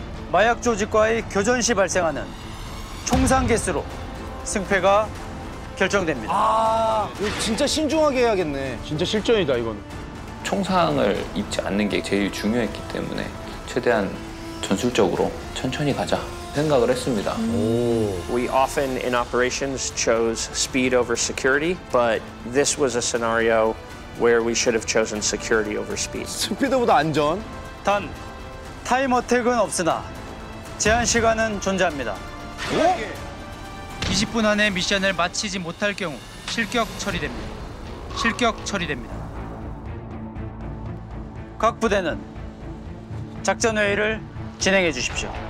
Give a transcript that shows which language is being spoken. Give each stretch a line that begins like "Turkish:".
Korean: 마약 조직과의 교전 시 발생하는 총상 개수로 승패가 결정됩니다. 아, 이거 진짜 신중하게 해야겠네. 진짜 실전이다, 이건. 총상을 입지 않는 게 제일 중요했기 때문에 최대한 전술적으로 천천히 가자 생각을 했습니다. 오.
English: We often in operations chose speed over security, but this was a scenario where we should have chosen security over speed.
Korean: 스피드보다 안전. 단, 타임 어택은 없으나 제한 시간은 존재합니다. 오? 20분 안에 미션을 마치지 못할 경우 실격 처리됩니다. 실격 처리됩니다. 각 부대는 작전 회의를 진행해 주십시오.